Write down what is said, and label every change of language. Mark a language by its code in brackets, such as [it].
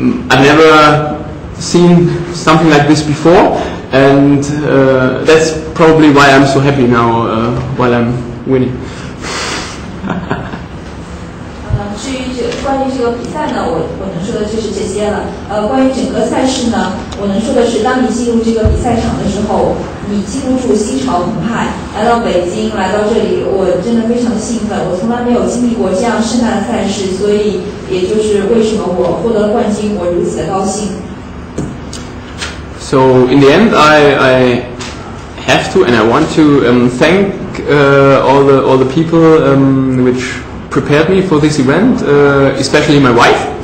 [en] I've never seen something like this before, and that's probably why I'm so happy now while I'm. Winning. [zh] 至于关于这个比赛呢，我能说的就是这些了。关于整个赛事呢，我能说的是，当你进入这个比赛场的时候，你进入住心潮澎湃，来到北京，来到这里，我真的非常兴奋。我从来没有经历过这样盛大的赛事，所以也就是为什么我获得了冠军，我如此的高兴。 [en] So in the end, I have to and I want to thank. All the people which prepared me for this event, especially my wife.